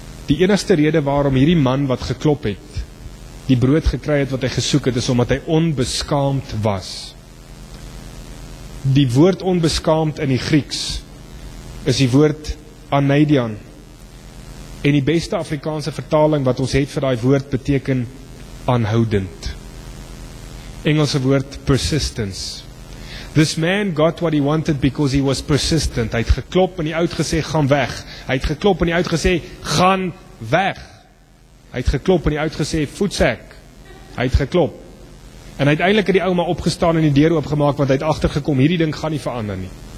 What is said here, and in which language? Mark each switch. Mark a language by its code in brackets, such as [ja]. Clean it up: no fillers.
[af] Die enigste rede waarom hierdie man wat geklop het, die brood gekry het wat hy gesoek het, is omdat hy onbeskaamd was. Die woord onbeskaamd in die Grieks is die woord aneidian, en die beste Afrikaanse vertaling wat ons het vir die woord beteken aanhoudend. Engelse woord persistence. [en] This man got what he wanted because he was persistent. [af] Hy het geklop en hy uitgesê, gaan weg. Hy het geklop en hy uitgesê, gaan weg. Hy het geklop en hy uitgesê, voetsek. Hy het geklop. En uiteindelik het die ouma opgestaan en die deur oopgemaak, want hy het agtergekom, hierdie ding gaan nie verander nie.